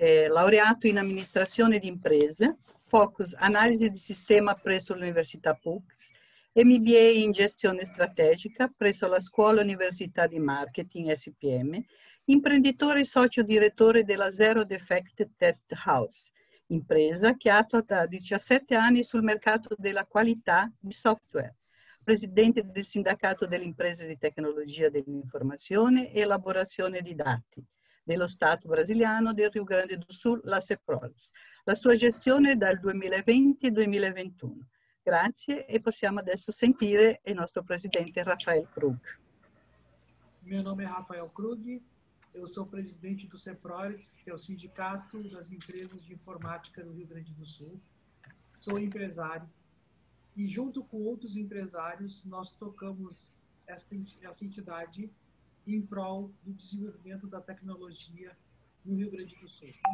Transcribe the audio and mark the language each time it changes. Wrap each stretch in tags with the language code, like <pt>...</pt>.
<it>Laureato</it> <pt>em administração de empresa, focus análise de sistema</pt> <it>presso</it> <pt>a Universidade PUC, MBA em gestão estratégica presso a Escola Universitária de Marketing, SPM, empreendedor e sócio-diretor da Zero Defect Test House, empresa que atua há 17 anos no mercado da qualidade de software. Presidente do Sindicato das Empresas de Tecnologia de Informação e Elaboração de Dados</pt> <it>dello Stato brasiliano del</it> <pt>Rio Grande do Sul, la Seprols.</pt> <it>La sua gestione dal 2020-2021. Grazie e possiamo adesso sentire il nostro presidente Rafael Krug.</it> <pt>Meu nome é Rafael Krug, eu sou presidente do Seprols, que é o Sindicato das Empresas de Informática do Rio Grande do Sul. Sou empresário e junto com outros empresários nós tocamos essa entidade em prol do desenvolvimento da tecnologia no Rio Grande do Sul.</pt>